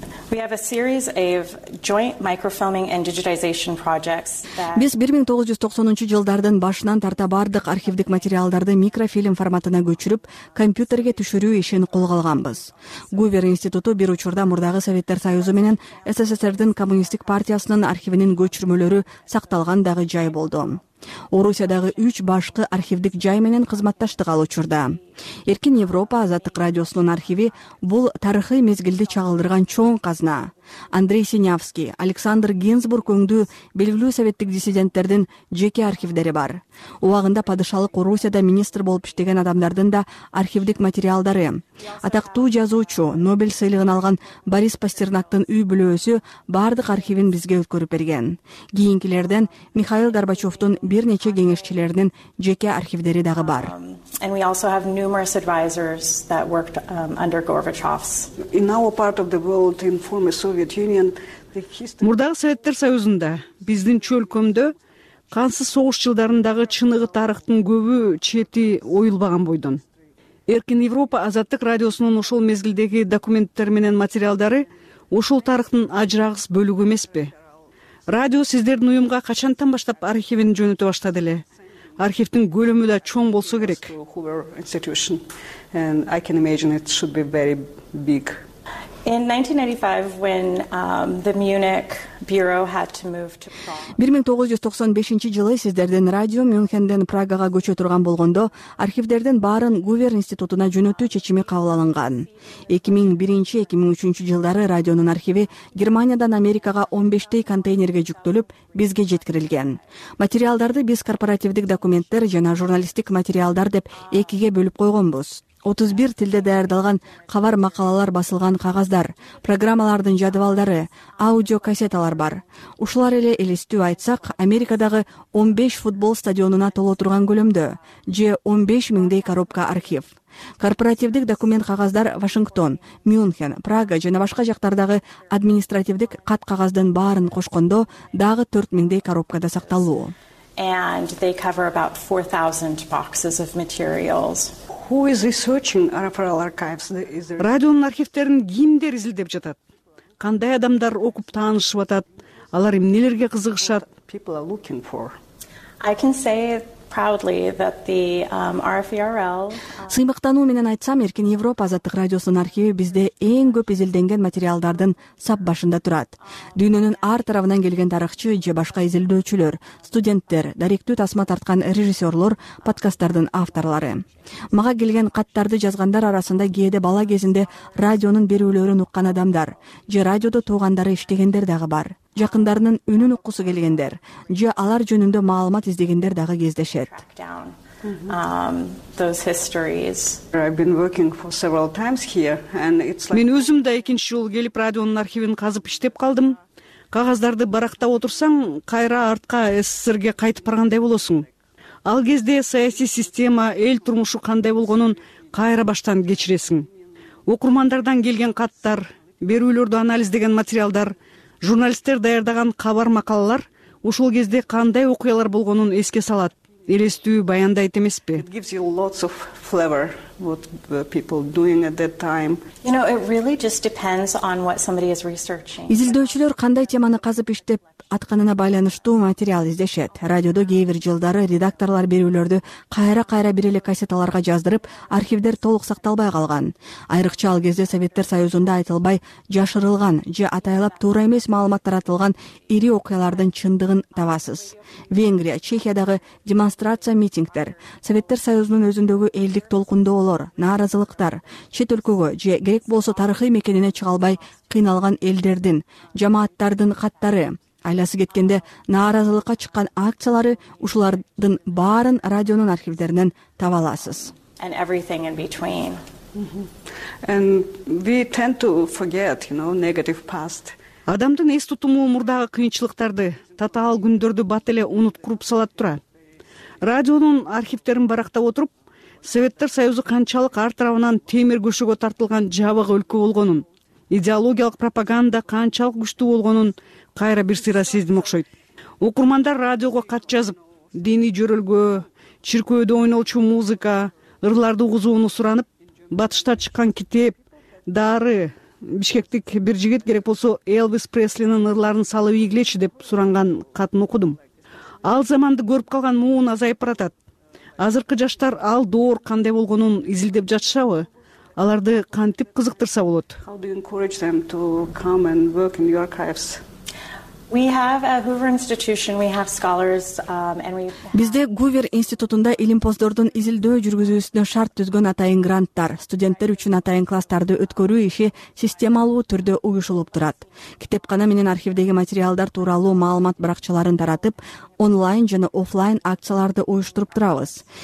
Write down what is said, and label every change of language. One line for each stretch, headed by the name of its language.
English: We have a series of joint microfilming and digitization projects that
Kyrgyz: Биз 1990-жылдардын башынан тарта бардык архивдик материалдарды микрофильм форматына көчүрүп, компьютерге түшүрүү ишин колго алганбыз. Гувер институту бир учурда мурдагы Советтер Союзу менен СССРдин коммунисттик партиясынын архивинин көчүрмөлөрү сакталган дагы жай болду. Орусиядагы 3 башкы архивдик жай менен кызматташтык алуучурда. Эркин Европа Азаттык радиосунун архиви бул тарыхый мезгилди чагылдырган чоң казна. Андрей Синявский, Александр Гинзбург өңдүү белгилүү советтик диссиденттердин жеке архивдери бар. Убагында падышалык Орусияда министр болуп иштеген адамдардын да архивдик материалдары. Атактуу жазуучу, Нобель сыйлыгын алган Борис Пастернактын үй бүлөсү бардык архивин бизге өткөрүп берген. Кийинкилерден Михаил Горбачевдун бир нече кеңешчилеринин жеке архивдери дагы бар.
English: Numerous advisors that worked under Gorbachev's in our part of the world in former Soviet Union
Kyrgyz: Мурдагы Советтер Союзунда биздин чөлкөмдө кансыз согуш жылдарындагы чыныгы тарыхтын көбү чети оюлбаган бойдон. Эркин Европа Азаттык радиосунун ушул мезгилдеги документтер менен материалдары ушул тарыхтын ажырагыс бөлүгү эмеспи? Радио сиздердин уюмга качантан баштап архивин жөнөтө баштады эле? Архивдин көлөмү да чоң болсо керек.
English: In 1995 when the Munich bureau had to move to Prague.
Kyrgyz: 1995-жылы сиздердин радио Мюнхендин Прагага көчө турган болгондо, архивдердин баарын Гувер институтуна жөнөтүү чечими кабыл алынган. 2001-2003-жылдары радионун архиви Германиядан Америкага 15 контейнерге жүктөлүп, бизге жеткирилген. Материалдарды биз корпоративдик документтер жана журналисттик материалдар деп экиге бөлүп койгонбуз. 31 тилде даярдалган кабар макалалар басылган кагаздар, программалардын жадыбалдары, аудио кассеталар бар. Ушулар эле элестүү айтсак, Америкадагы 15 футбол стадионуна толо турган көлөмдө же 15 миңдей коробка архив. Корпоративдик документ кагаздар Вашингтон, Мюнхен, Прага жана башка жактардагы административдик кат кагаздын баарын кошкондо дагы 4 миңдей коробкада сакталуу.
English: And they cover about 4,000 boxes of materials. Who is researching RFRL archives?
Kyrgyz: Радионун архивдерин кимдер изилдеп жатат? Кандай адамдар окуп таанышып атат? Алар эмнелерге кызыгышат?
English: People are looking for. I can say proudly that the RFRL
Kyrgyz: Сыймыктануу менен айтсам, Эркин Европа Азаттык радиосунун архиви бизде эң көп изилденген материалдардын сап башында турат. Дүйнөнүн ар тарабынан келген тарыхчы же башка изилдөөчүлөр, студенттер, даректүү тасма тарткан режиссерлор, подкасттардын авторлары. Мага келген каттарды жазгандар арасында кээде бала кезинде радионун берүүлөрүн уккан адамдар же радиодо туугандары иштегендер дагы бар. Жакындарынын үнүн уккусу келгендер же алар жөнүндө маалымат издегендер дагы кездешет.
English: Those histories. I've been working for several times here and it's like
Kyrgyz: Мен өзүм да экинчи жолу келип радионун архивин казып иштеп калдым. Кагаздарды барактап отурсаң, кайра артка СССРге кайтып баргандай болосуң. Ал кезде саясий система, эл турмушу кандай болгонун кайра баштан кечиресиң. Окурмандардан келген каттар, берүүлөрдү анализдеген материалдар, журналисттер даярдаган кабар макалалар ушул кезде кандай окуялар болгонун эске салат, элестүү баяндайт эмеспи?
English: It gives you lots of flavor what the people doing at that time. You know, it really just depends on what somebody is researching.
Kyrgyz: Изилдөөчүлөр кандай теманы казып иштеп атканына байланыштуу материал издешет. Радиодо кээ бир жылдары редакторлор берүүлөрдү кайра-кайра бир эле кассеталарга жаздырып, архивдер толук сакталбай калган. Айрыкча ал кезде Советтер Союзунда айтылбай жашырылган же атайлап туура эмес маалымат таратылган ири окуялардын чындыгын табасыз. Венгрия, Чехиядагы демонстрация митингдер, Советтер Союзунун өзүндөгү элдик толкундоолор, нааразылыктар, чет өлкөгө же керек болсо тарыхый мекенине чыга албай кыйналган элдердин, жамааттардын каттары, айласы кеткенде нааразылыкка чыккан акциялары ушулардын баарын радионун архивдеринен таба аласыз.
English: And everything in between. And we tend to forget, you know, negative past.
Kyrgyz: Адамдын эс тутуму мурдагы кыйынчылыктарды, татаал күндөрдү бат эле унуткуруп салат тура. Радионун архивдерин барактап отуруп, Советтер Союзу канчалык ар тарабынан темир көшөгө тартылган жабык өлкө болгонун, идеологиялык пропаганда канчалык күчтүү болгонун кайра бир сыйра сездим окшойт. Окурмандар радиого кат жазып, диний жүрүлгө, чиркөөдө ойнолчу музыка, ырларды угузууну суранып, батышта чыккан китеп, дары, Бишкектик бир жигит керек болсо Элвис Преслинин ырларын салып ийгилечи деп суранган катын окудум. Ал заманды көрүп калган муун азайып баратат. Азыркы жаштар ал доор кандай болгонун изилдеп жатышабы? Аларды кантип кызыктырса болот?
English: We have a Hoover institution, we have scholars and we
Kyrgyz: Бизде Гувер институтунда илимпоздордун изилдөө жүргүзүүсүнө шарт түзгөн атайын гранттар, студенттер үчүн атайын класстарды өткөрүү иши системалуу түрдө уюшулуп турат. Китепкана менен архивдеги материалдар тууралуу маалымат баракчаларын таратып, онлайн жана офлайн акцияларды уюштуруп турабыз.